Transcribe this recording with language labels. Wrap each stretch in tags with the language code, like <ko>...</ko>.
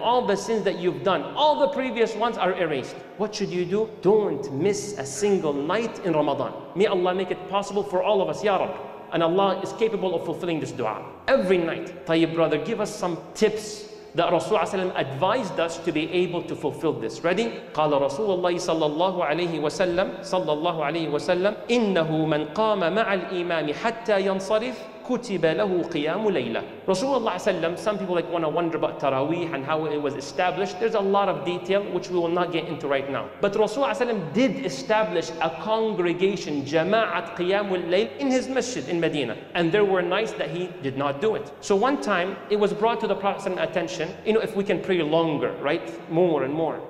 <en>All the sins that you've done, all the previous ones are erased. What should you do? Don't miss a single night in Ramadan. May Allah make it possible for all of us, Ya Rabbi. And Allah is capable of fulfilling this dua. Every night. Tayyib brother, give us some tips that Rasulullah ﷺ advised us to be able to fulfill this. Ready?</en> <ar>قال رسول الله صلى الله عليه وسلم صلى الله عليه وسلم إنه من قام مع الإمام حتى ينصرف كتب له قيام ليلة.</ar> <en>Rasulullah ﷺ, some people like want to wonder about Taraweeh and how it was established. There's a lot of detail which we will not get into right now. But Rasulullah ﷺ did establish a congregation, Jama'at Qiyam al-Layl, in his masjid in Medina. And there were nights that he did not do it. So one time, it was brought to the Prophet's attention, you know, if we can pray longer, right? More and more.</en>